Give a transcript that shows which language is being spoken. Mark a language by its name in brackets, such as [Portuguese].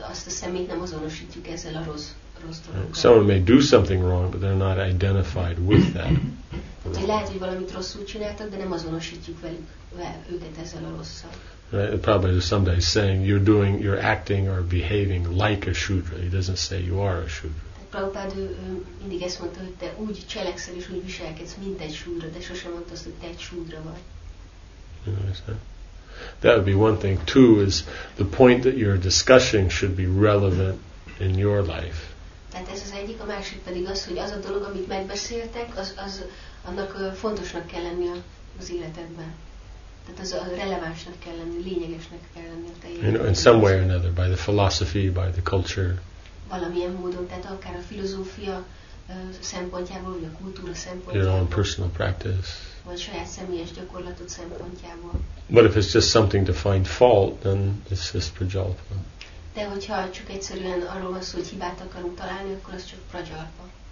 [English] Someone may do something wrong, but they're not identified with that. [Hungarian] Lehet, hogy valamit rosszul csináltak, de nem azonosítjuk őket ezzel a rosszal. [English] Right. Probably there's somebody saying you're acting or behaving like a shudra. He doesn't say you are a shudra. [Hungarian] Prabhupád mindig ezt mondta, hogy te úgy cselekszel és úgy viselkedsz, mint egy súdra, de sosem mondta azt, hogy te egy súdra vagy. [English] That would be one thing. Two is the point that you're discussing should be relevant in your life. [Hungarian] Tehát ez az egyik, a másik pedig az, hogy az a dolog, amit megbeszéltek, az annak fontosnak kell lenni az életedben. Tehát az a relevánsnak kell lenni, lényegesnek kell lenni a te életedben. [English] In some way or another, by the philosophy, by the culture. [Hungarian] Valamilyen módon, tehát akár a filozófia szempontjából, vagy a kultúra szempontjából. [English] Your own personal practice. [Hungarian] Vagy saját személyes gyakorlatod szempontjából. [English] But if it's just something to find fault, then it's just prajalpa. [Hungarian] De hogyha csak egyszerűen arról van szó, hogy hibát akarunk találni, akkor az csak prajalpa.